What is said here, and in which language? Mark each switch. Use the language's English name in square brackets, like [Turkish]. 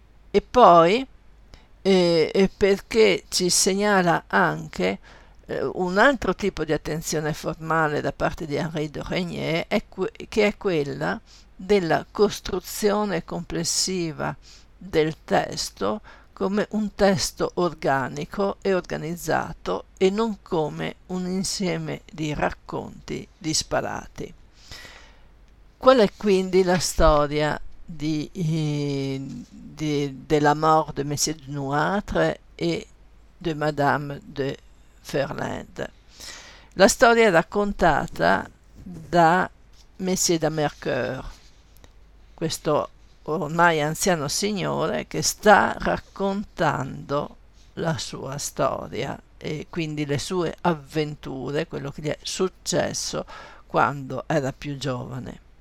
[Italian] e poi perché ci segnala anche un altro tipo di attenzione formale da parte di Henri Dreugnier, che è quella della costruzione complessiva del testo come un testo organico e organizzato e non come un insieme di racconti disparati. Qual è quindi la storia di [French] de la mort de Monsieur de Noître et de Madame de Ferland. [Italian] La storia è raccontata da Monsieur de Mercœur, questo ormai anziano signore che sta raccontando la sua storia e quindi le sue avventure, quello che gli è successo quando era più giovane.